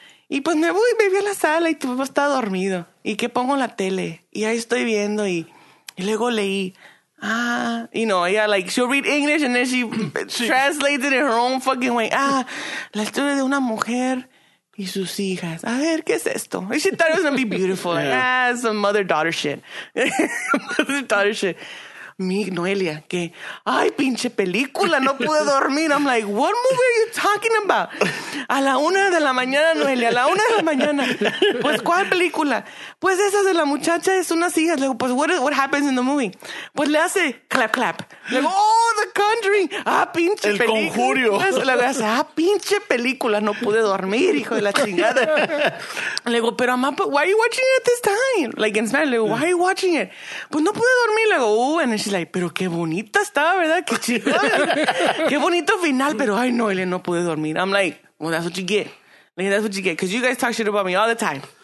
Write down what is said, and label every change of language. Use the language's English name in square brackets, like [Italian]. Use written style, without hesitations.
[Spanish] Y pues me voy, me voy a la sala y tu papá está dormido. ¿Y qué pongo en la tele? Y ahí estoy viendo y luego leí. [English] Ah, you know, yeah, like she'll read English and then she translates it in her own fucking way. [Spanish] Ah, la historia de una mujer y sus hijas. A ver, ¿qué es esto? [English] And she thought it was going to be beautiful. Yeah. Ah, some mother-daughter shit. Mother-daughter shit. [Spanish] Mi Noelia, que, ay, pinche película, no pude dormir. [English] I'm like, what movie are you talking about? [Spanish] A la 1 de la mañana, Noelia, a la 1 de la mañana. Pues, ¿cuál película? Pues esa de la muchacha es unas hijas. Le digo, pues, [English] what happens in the movie? [Spanish] Pues le hace clap, clap. Le digo, oh, The Conjuring. Ah, pinche el película. El Conjurio. Le hace, ah, pinche película, no pude dormir, hijo de la chingada. Le digo, pero, mamá, [English] why are you watching it at this time? Like, in Spanish, [Spanish] le digo, [English] why are you watching it? [Spanish] Pues, no pude dormir. Le digo, oh, [English] and she's like, [Spanish] pero qué bonita estaba, ¿verdad? Qué chido. Qué bonito final, pero ay, no, Elena, no pude dormir. [English] I'm like, well, that's what you get. Like, that's what you get. Because you guys talk shit about me all the time.